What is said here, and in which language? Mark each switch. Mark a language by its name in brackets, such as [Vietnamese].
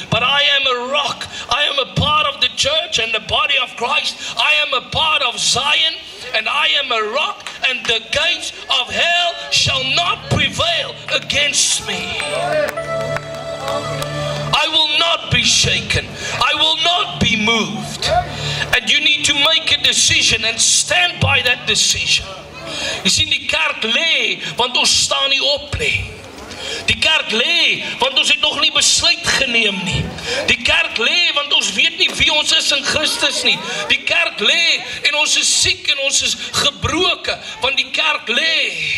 [English] But I am a rock. I am a part of the church and the body of Christ. I am a part of Zion and I am a rock and the gates of hell shall not prevail against me. I will not be shaken. I will not be moved. And you need to make a decision and stand by that decision. [Afrikaans] Jy sien, die kerk lê, want ons staan nie op nie. Die kerk lê, want ons het nog nie besluit geneem nie. Die kerk lê, want ons weet nie wie ons is in Christus nie. Die kerk lê, en ons is siek en ons is gebroken, want die kerk lê.